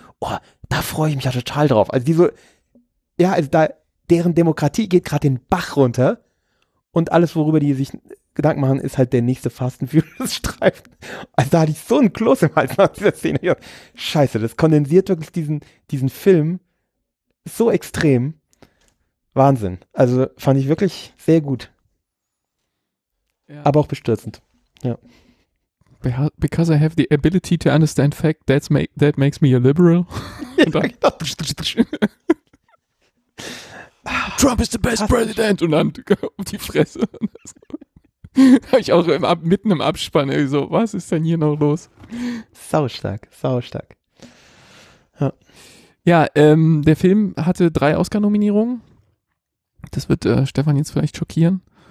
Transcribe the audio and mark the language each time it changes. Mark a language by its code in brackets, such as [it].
[de] Oh, da freue ich mich ja total drauf. Also die so, ja, also da deren Demokratie geht gerade den Bach runter und alles, worüber die sich Gedanken machen, ist halt der nächste Fast and Furious-Streifen. Also da hatte ich so ein Kloß im Hals nach dieser Szene. Ja, scheiße, das kondensiert wirklich diesen Film so extrem. Wahnsinn. Also fand ich wirklich sehr gut. Ja. Aber auch bestürzend. Ja. [en] Because I have the ability to understand fact, that makes me a liberal. [de] Ja, genau. [en] Trump is the best president [de] und dann auf die Fresse. Habe ich auch mitten im Abspann irgendwie so, was ist denn hier noch los? Sau stark. Ja, der Film hatte 3 Oscar-Nominierungen. Das wird Stefan jetzt vielleicht schockieren.